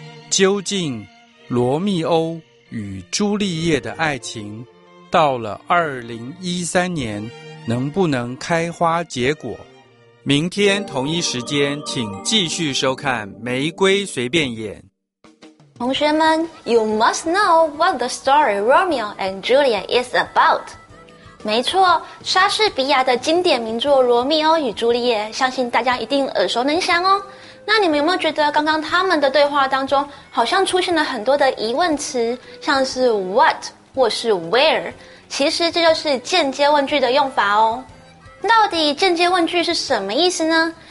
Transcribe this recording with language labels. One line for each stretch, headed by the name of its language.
Chinese: 究竟罗密欧与朱丽叶的爱情到了2013年能不能开花结果？明天同一时间请继续收看《玫瑰随便演》。同学们
English: ,you must know what the story Romeo and Juliet is about.
Chinese: 没错，莎士比亚的经典名作《罗密欧与朱丽叶》，相信大家一定耳熟能详哦。那你们有没有觉得刚刚他们的对话当中好像出现了很多的疑问词，像是 what 或是 where? 其实这就是间接问句的用法哦。到底间接问句是什么意思呢？